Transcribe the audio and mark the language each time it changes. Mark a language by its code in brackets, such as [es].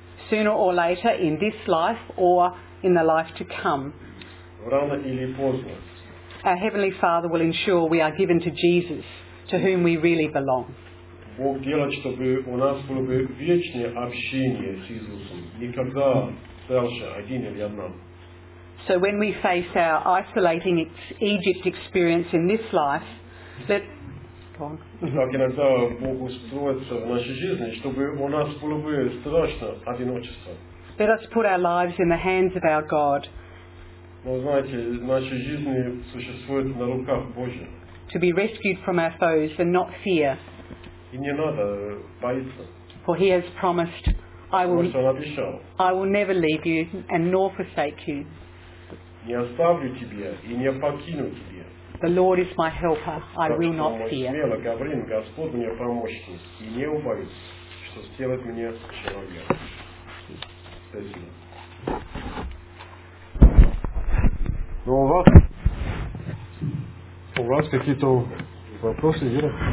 [en] Sooner or later, in this life or in the life to come, our Heavenly Father will ensure we are given to Jesus, to whom we really belong. [ru] Бог делает, чтобы у нас было бы вечное общение с Иисусом. Никогда дальше один или одна. [en] So when we face our isolating Egypt experience in this life, let... [ru] Так иногда Бог устроится в нашей жизни, чтобы у нас было бы страшно одиночество. [en] Let us put our lives in the hands of our God. [ru] Но знаете, наши жизни существуют на руках Божьих. [en] To be rescued from our foes and not fear. [ru] И не надо бояться. [en] For he has promised, I will never leave you and nor forsake you. [ru] Не оставлю тебя и не покину тебя. [en] The Lord is my helper, I will not fear. [ru] Смело говорим, Господь мне помощник, и не убоюсь, что сделает мне человек. Спасибо. Ну, у вас какие-то вопросы, Вера?